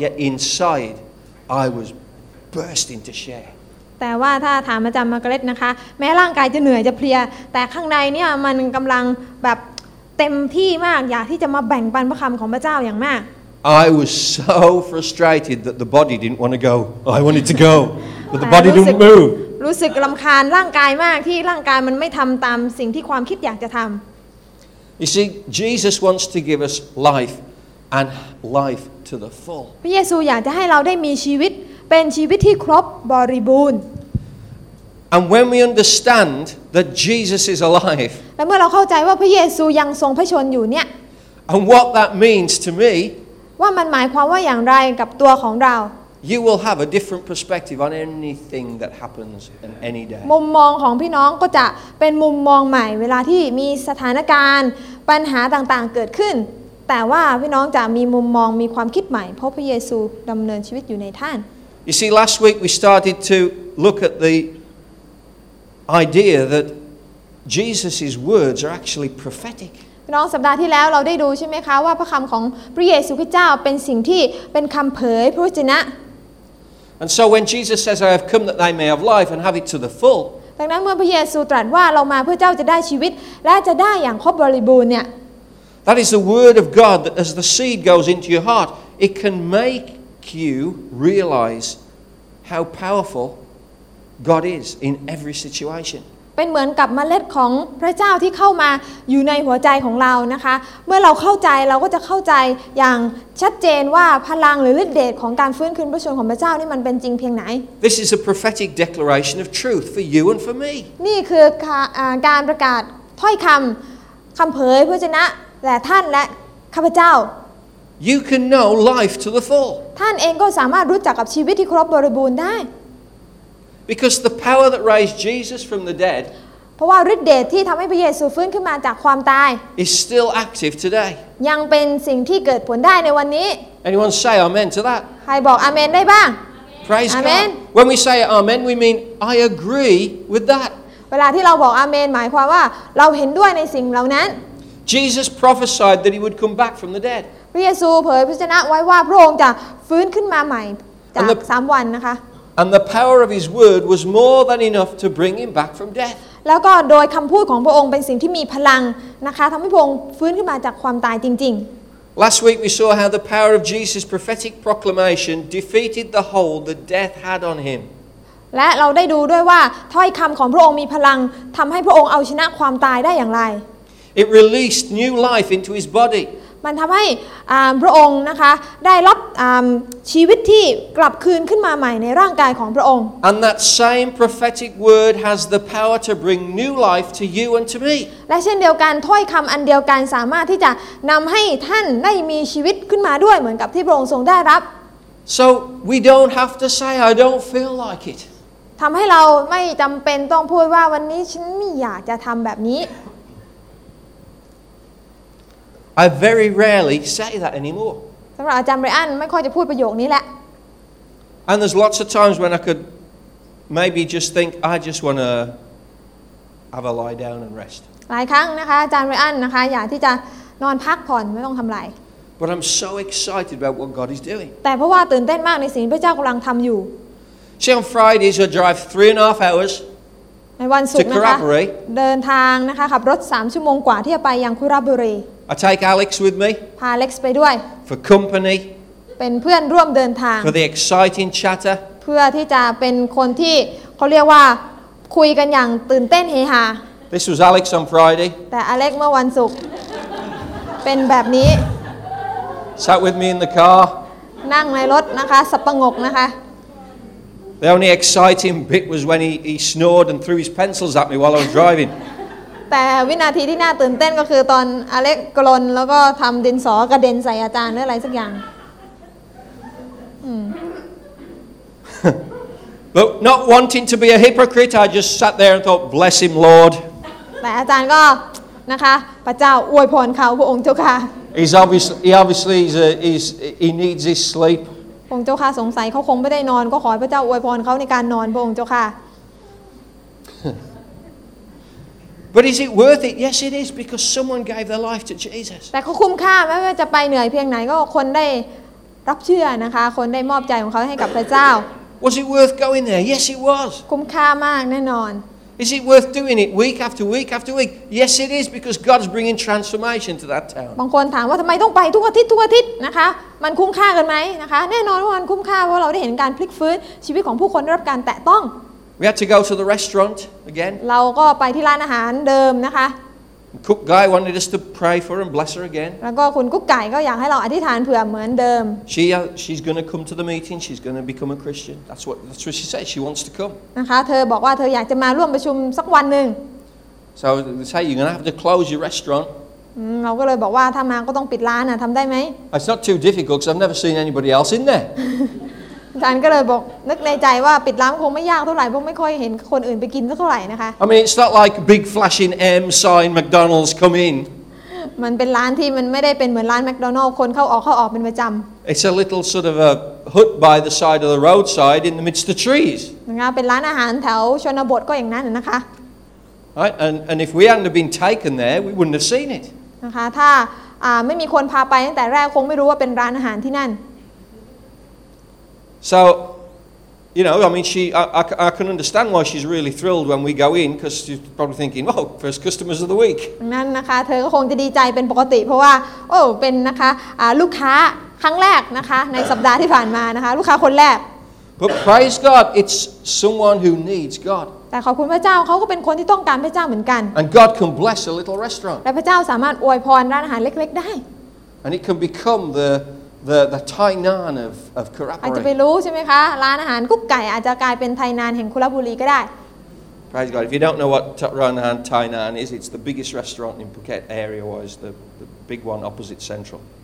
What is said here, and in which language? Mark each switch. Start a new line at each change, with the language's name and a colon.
English: Yet inside, I was bursting to share.
Thai: แต่ว่าถ้าถามอาจารย์มาร์เกร็ตนะคะแม้ร่างกายจะเหนื่อยจะเพลียแต่ข้างในเนี่ยมันกำลังแบบเต็มที่มากอยากที่จะมาแบ่งปันพระคำของพระเจ้าอย่างมาก
English: I was so frustrated that the body didn't want to go I wanted to go but the body didn't move
Thai: รู้สึกรำคาญร่างกายมากที่ร่างกายมันไม่ทำตามสิ่งที่ความคิดอยากจะทำ
English: You see Jesus wants to give us life and life to the full
Thai: พระเยซูอยากจะให้เราได้มีชีวิตเป็นชีวิตที่ครบบริบูรณ์
English: And when we understand that Jesus is alive,
Thai: แล้วเมื่อเราเข้าใจว่าพระเยซูยังทรงพระชนอยู่เนี่ย
English: and what that means to me,
Thai: ว่ามันหมายความว่าอย่างไรกับตัวของเรา
English: you will have a different perspective on anything that happens in any day.
Thai: มุมมองของพี่น้องก็จะเป็นมุมมองใหม่เวลาที่มีสถานการณ์ปัญหาต่างๆเกิดขึ้นแต่ว่าพี่น้องจะมีมุมมองมีความคิดใหม่เพราะพระเยซูดำเนินชีวิตอยู่ในท่าน
English: You see, last week we started to look at theidea that Jesus's words are actually prophetic.
Thai: น้องสัปดาห์ที่แล้วเราได้ดูใช่ไหมคะว่าพระคำของพระเยซูคริสต์เจ้าเป็นสิ่งที่เป็นคำเผยพระวจนะ
English: And so when Jesus says, "I have come that they may have life and have it to the full,"
Thai: ดังนั้นเมื่อพระเยซูตรัสว่าเรามาเพื่อเจ้าจะได้ชีวิตและจะได้อย่างครบบริบูรณ์เนี่ย
English: That is the word of God that, as the seed goes into your heart, it can make you realize how powerful God is in every situation.
Thai: เป็นเหมือนกับเมล็ดของพระเจ้าที่เข้ามาอยู่ในหัวใจของเรานะคะเมื่อเราเข้าใจเราก็จะเข้าใจอย่างชัดเจนว่าพลังหรือฤทธิ์เดชของการฟื้นคืนพระชนของพระเจ้านี่มันเป็นจริงเพียงไหน
English: This is a prophetic declaration of truth for you and for me.
Thai: นี่คือการประกาศถ้อยคำคำเผยพระชนะแต่ท่านและข้าพเจ้า
English: You can know life to the full.
Thai: ท่านเองก็สามารถรู้จักกับชีวิตที่ครบบริบูรณ์ได้
English: Because the power that raised Jesus from the dead
Thai: เพราะว่าฤทธิ์เดชที่ทำให้พระเยซูฟื้นขึ้นมาจากความตาย
English: is still active today
Thai: ยังเป็นสิ่งที่เกิดผลได้ในวันนี้
English: Anyone say amen to that
Thai: ใครบอกอาเมนได้บ้าง
English: Praise amen. God When we say amen we mean I agree with that
Thai: เวลาที่เราบอกอาเมนหมายความว่าเราเห็นด้วยในสิ่งเหล่านั้น
English: Jesus prophesied that he would come back from the dead
Thai: พระเยซูเผยพระชนะไว้ว่าพระองค์จะฟื้นขึ้นมาใหม่จาก3วันนะคะ
English: And the power of his word was more than enough to bring him back from death.
Thai: แล้วก็โดยคำพูดของพระองค์เป็นสิ่งที่มีพลังนะคะทำให้พระองค์ฟื้นขึ้นมาจากความตายจริง
English: ๆ Last week we saw how the power of Jesus' prophetic proclamation defeated the hold that death had on him.
Thai: และเราได้ดูด้วยว่าถ้อยคำของพระองค์มีพลังทำให้พระองค์เอาชนะความตายได้อย่างไร
English: It released new life into his body.
Thai: มันทำให้พระองค์นะคะได้รับชีวิตที่กลับคืนขึ้นมาใหม่ในร่างกายของพระองค์
English: And that same prophetic word has the power to bring new life to you and to me
Thai: และเช่นเดียวกันถ้อยคำอันเดียวกันสามารถที่จะนำให้ท่านได้มีชีวิตขึ้นมาด้วยเหมือนกับที่พระองค์ทรงได้รับ
English: So we don't have to say I don't feel like it
Thai: ทำให้เราไม่จำเป็นต้องพูดว่าวันนี้ฉันไม่อยากจะทำแบบนี้
English: I very rarely say that anymore.
Thai: สำหรับอาจารย์ไรอันไม่ค่อยจะพูดประโยคนี้แหละ
English: And there's lots of times when I could maybe just think I just want to have a lie down and rest.
Thai: หลายครั้งนะคะอาจารย์ไรอันนะคะอยากที่จะนอนพักผ่อนไม่ต้องทำอะไร
English: But I'm so excited about what God is doing.
Thai: แต่เพราะว่าตื่นเต้นมากในสิ่งพระเจ้ากำลังทำอยู่
English: See, on Fridays I drive 3.5 hours.
Thai: ในวันศุกร์นะคะเดินทางนะคะขับรถ3ชั่วโมงกว่าที่จะไปยังคุระบุรี
English: I take Alex with me
Thai: พา Alex ไปด้วย
English: for company
Thai: เป็นเพื่อนร่วมเดินทาง
English: for the exciting chatter
Thai: เพื่อที่จะเป็นคนที่เขาเรียกว่าคุยกันอย่างตื่นเต้นเฮฮา
English: This was Alex on Friday
Thai: แต่ Alex เมื่อวันศุกร์เป็นแบบนี้
English: sat with me in the car
Thai: นั่งในรถนะคะสปะงกนะคะ
English: The only exciting bit was when he snored and threw his pencils at me while I was driving.
Thai: แต่วินาทีที่น่าตื่นเต้นก็คือตอนอเล็กกลนแล้วก็ทำดินสอกระเด็นใส่อาจารย์หรืออะไรสักอย่าง
English: But not wanting to be a hypocrite, I just sat there and thought, "Bless him, Lord."
Thai: แต่อาจารย์ก็นะคะพระเจ้าอวยพรเขาพระองค์เจ้าค่ะ
English: He's obviously he needs his sleep.
Thai: พระองค์เจ้าค่ะสงสัยเขาคงไม่ได้นอนก็ขอพระเจ้าอวยพรเขาในการนอนพระองค์เจ้าค่ะ
English: But is it worth it? Yes, it is because someone gave their life to Jesus.
Thai: แต่เขาคุ้มค่าไม่ว่าจะไปเหนื่อยเพียงไหนก็คนได้รับเชื่อนะคะคนได้มอบใจของเขาให้กับพระเจ้า
English: Was it worth going there? Yes, it was.
Thai: คุ้มค่ามากแน่นอน
English: Is it worth doing it week after week after week? Yes, it is because God's bringing transformation to that town.
Thai: บางคนถามว่าทำไมต้องไปทุกอาทิตย์ทุกอาทิตย์นะคะมันคุ้มค่ากันไหมนะคะแน่นอนว่ามันคุ้มค่าเพราะเราได้เห็นการพลิกฟื้นชีวิตของผู้คนได้รับการแตะต้อง
English: We had to go to the restaurant again.
Thai: เราก็ไปที่ร้านอาหารเดิมนะคะ
English: Cook guy wanted us to pray for and bless her again.
Thai: แล้วก็คุณกุ๊กไก่ก็อยากให้เราอธิษฐานเผื่อเหมือนเดิม
English: She's going to come to the meeting. She's going to become a Christian. That's what she said. She wants to come.
Thai: นะคะเธอบอกว่าเธออยากจะมาร่วมประชุมสักวันนึง
English: So they say you're going to have to close your restaurant.
Thai: เราก็เลยบอกว่าถ้ามาก็ต้องปิดร้านน่ะทำได้ไหม
English: It's not too difficult because I've never seen anybody else in there.
Thai: ฉันก็เลยบอกนึกในใจว่าปิดร้านคงไม่ยากเท่าไหร่เพราะไม่ค่อยเห็นคนอื่นไปกินสักเท่าไหร่นะคะ
English: I mean it's not like big flashing M sign McDonald's come in.
Thai: มันเป็นร้านที่มันไม่ได้เป็นเหมือนร้าน McDonald's คนเข้าออกเป็นประจำ
English: It's a little sort of a hut by the side of the roadside in the midst of trees.
Thai: นะเป็นร้านอาหารแถวชนบทก็อย่างนั้นนะคะ
English: Right and if we hadn't been taken there we wouldn't have seen it.
Thai: นะคะถ้าไม่มีคนพาไปตั้งแต่แรกคงไม่รู้ว่าเป็นร้านอาหารที่นั่น
English: So you know I mean she I can understand why she's really thrilled when we go in because she's probably thinking well first customers of the week
Thai: นั่นนะคะเธอก็คงจะดีใจเป็นปกติเพราะว่าโอ้เป็นนะคะลูกค้า ครั้งแรกนะคะในสัปดาห์ที่ผ่านมานะคะลูกค้าคนแรก
English: But praise God it's someone who needs God
Thai: แต่ขอบคุณพระเจ้าเขาก็เป็นคนที่ต้องการพระเจ้าเหมือนกัน
English: And God can bless a little restaurant
Thai: และพระเจ้าสามารถอวยพรร้านอาหารเล็กๆได้
English: And it can become the Tainan of Kurapuri อ
Thai: าจจะไปรู้ใช่ไหมคะร้านอาหารกุ๊กไก่อาจจะกลายเป็นไทนานแห่งคุรบุรีก็ได้
English: Praise God. If you don't know what Ranahan Tainan is, it's the biggest restaurant in Phuket area wise, the big one opposite Central.